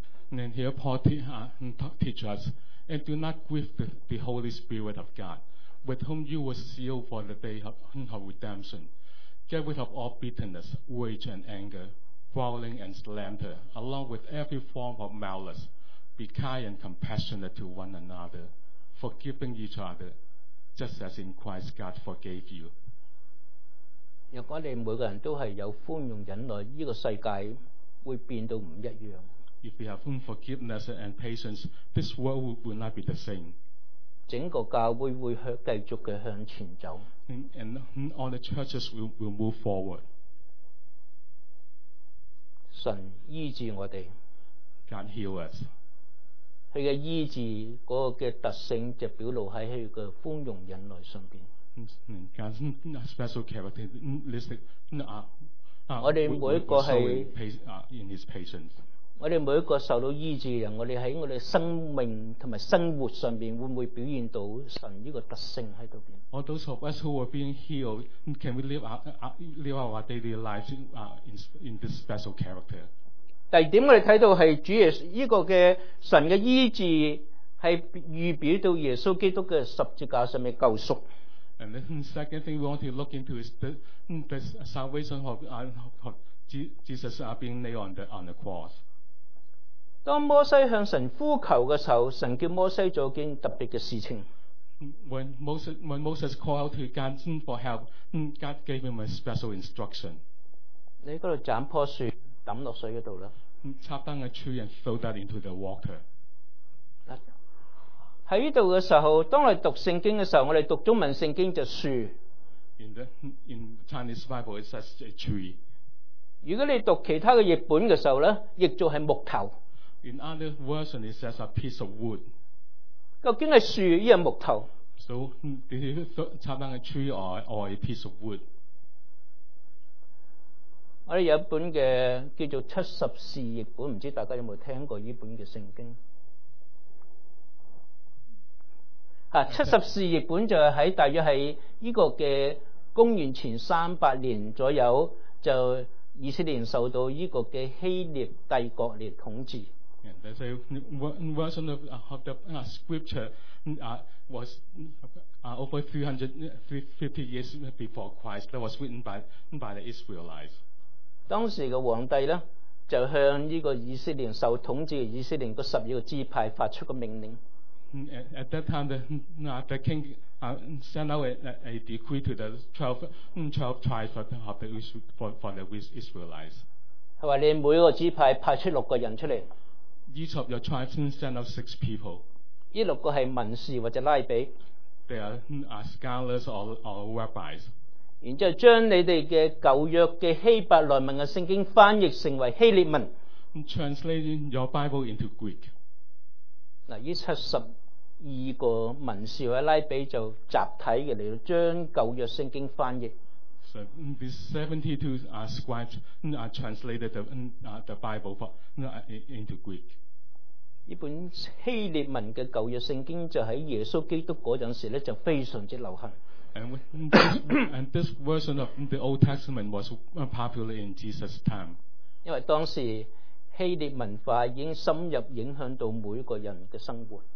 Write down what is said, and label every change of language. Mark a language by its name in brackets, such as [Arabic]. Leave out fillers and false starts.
[English] And here Paul teaches us, and do not grieve the Holy Spirit of GodWith whom you were sealed for the day of redemption. Get rid of all bitterness, rage and anger, growling and slander, along with every form of malice. Be kind and compassionate to one another, forgiving each other, just as in Christ God forgave you. [Chinese] 如果你每个人都是有宽容忍耐，这个世界会变到不一样。 [English] If you have forgiveness and patience, this world will not be the same. [Chinese] 整个教会会继续的向前走。 [English] And all the churches will move forward. [Chinese] 神医治我们。 [English] God heal us. [Chinese] 他的医治那个特性就表露在他的宽容忍耐上面。 [English] God's special characteristic. [Chinese] 我们每个是。 [English] In his patience. [Chinese] 我们每一个受到医治的人，我们在我们生命和生活上面会不会表现到神这个特性在那边？ [English] All those of us who are being healed, can we live our daily lives in this special character? [Chinese] 第二点我们看到是主耶稣这个的神的医治是预表到耶稣基督的十字架上面救赎。 [English] And the second thing we want to look into is the salvation of Jesus being nailed on the cross. [Chinese] 当摩西向神呼求的时候，神叫摩西做一件特别的事情。 [English] When Moses called out to God for help, God gave him a special instruction. [Chinese] 你那里斩棵树，抌落水那里。 [English] Chop down a tree and throw that into the water. [Chinese] 在这里的时候，当我们读圣经的时候，我们读中文圣经就树。 [English] In the Chinese Bible, it says a tree. [Chinese] 如果你读其他的译本的时候，译作是木头。 [English] In other version, it says a piece of wood. [Chinese] 究竟是树还是木头？ [English] So, did you chop down a tree or a piece of wood? [Chinese] 我们有一本的叫做七十士译本，不知道大家有没有听过这本的圣经。七十士译本就是在大约在这个的公元前300年左右，就以色列受到这个的希腊帝国来统治。 [English] And there's a version of the scripture was over 350 years before Christ that was written by the Israelites. [Chinese] 当时的皇帝呢就向这个以色列受统治的以色列的十二个支派发出个命令。 [English] At that time, the king sent out a decree to the 12 tribes for the Israelites. [Chinese] 他说你每个支派派出六个人出来。 [English] Each of your tribes sent out six people. [Chinese] 这六个是文士或者拉比。 [English] They are scholars or rabbis. [Chinese] 然后将你们的旧约的希伯来文的圣经翻译成为希列文。 [English] Translating your Bible into Greek. [Chinese] 这72个文士或拉比就集体的来将旧约圣经翻译。 [English] So these 72 scribes translated the Bible into Greek. [Chinese] 这本希列文的旧约圣经就在耶稣基督那时候就非常流行。 [English] And this version of the Old Testament was popular in Jesus' time. [Chinese] 因为当时希列文化已经深入影响到每个人的生活。